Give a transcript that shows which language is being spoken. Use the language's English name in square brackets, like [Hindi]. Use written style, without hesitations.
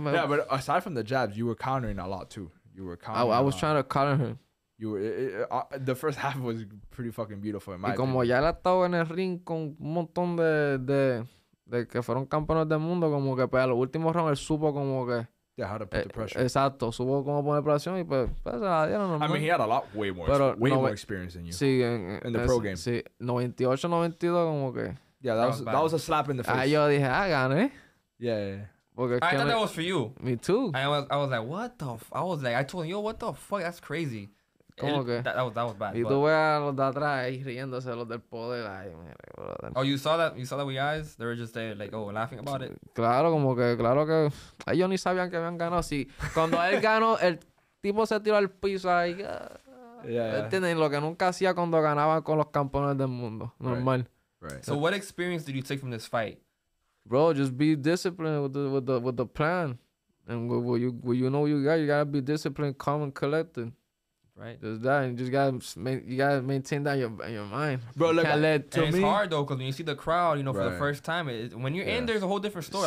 [English] Yeah, but aside from the jabs, you were countering a lot too. You were countering. I was trying to counter him. You were the first half was pretty fucking beautiful in my opinion. [Spanish] Y como ya él ha estado en el ring con un montón de que fueron campeones del mundo, como que pues a los últimos rounds él supo como que... [English] Yeah, how to put the pressure. [Spanish] Exacto. Subo como poner presión y pues se la dieron. [English] I mean, he had a lot way more experience than you. [Spanish] Sí. [English] In the pro game. [Spanish] Sí. 98, 92, como que... [English] Yeah, that was a slap in the face. [Spanish] Ah, yo dije, ah, gané. [English] Yeah. [Spanish] Porque [English] I thought that was for you. Me too. I was like, what the... I told him, yo, what the fuck? That's crazy. [Spanish] ¿Cómo que? [English] That was bad. [Spanish] Y tú ves a los de atrás ahí riéndose los del poder. Ay, mire, brother. [English] Oh, you saw that with eyes? They were just there, like, oh, laughing about it. [Spanish] Claro, como que, claro que... Ellos ni sabían que habían ganado. Sí, cuando él ganó, el tipo se tiró al piso ahí. ¿Entienden? Lo que nunca hacía cuando ganaba con los campeones del mundo. Normal. [English] Right. So what experience did you take from this fight? Bro, just be disciplined with the plan. And what you know you got to be disciplined, calm, and collected. Right. Just that. And you gotta maintain that in your mind. Bro, look, it's hard, though, because when you see the crowd, you know, for the first time, when you're in, there's a whole different story.